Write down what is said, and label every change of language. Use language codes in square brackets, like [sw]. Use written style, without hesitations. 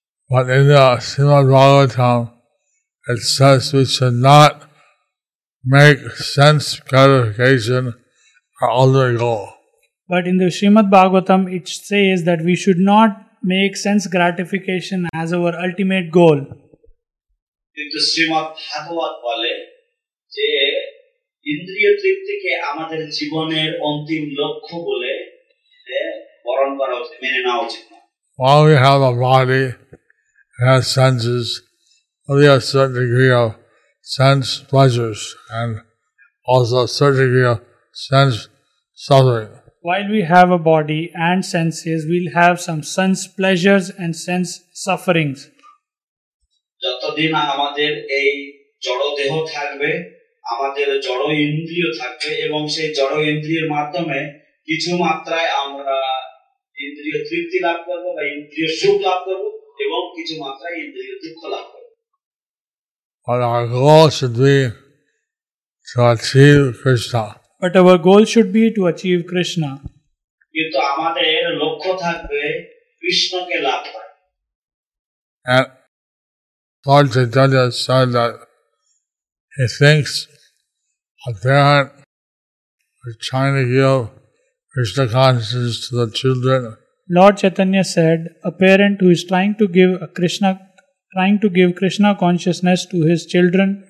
[en] But in the Srimad-Bhagavatam, it says we should not make sense gratification our ultimate goal. But in the Srimad-Bhagavatam, it says that we should not make sense gratification as our ultimate goal. [bn] কিন্তু শ্রীমদ্ভাগবত বলে যে ইন্দ্রিয় তৃপ্তিকে আমাদের জীবনের অন্তিম লক্ষ্য বলে বরণ করা উচিত, মেনে নেওয়া উচিত না. [en] While we have a body, it has senses, we have a certain degree of sense pleasures and also a certain degree of sense suffering. While we have a body and senses, we'll have some sense pleasures and sense sufferings. [bn] যতদিন আমাদের এই জড় দেহ থাকবে, আমাদের জড় ইন্দ্রিয় থাকবে এবং সেই জড় ইন্দ্রিয়ের মাধ্যমে কিছু মাত্রায় আমরা ইন্দ্রিয় তৃপ্তি লাভ করব বা ইন্দ্রিয় সুখ লাভ করব এবং কিছু মাত্রায় ইন্দ্রিয় দুঃখ লাভ করব. [en] But our goal should be to achieve Krishna. But our goal should be to achieve Krishna. [bn] কিন্তু আমাদের লক্ষ্য থাকবে কৃষ্ণকে লাভ করা. [en] Lord Chaitanya said that he thinks a parent is trying to give Krishna consciousness to the children. Lord Chaitanya said a parent who is trying to give a Krishna, trying to give Krishna consciousness to his children.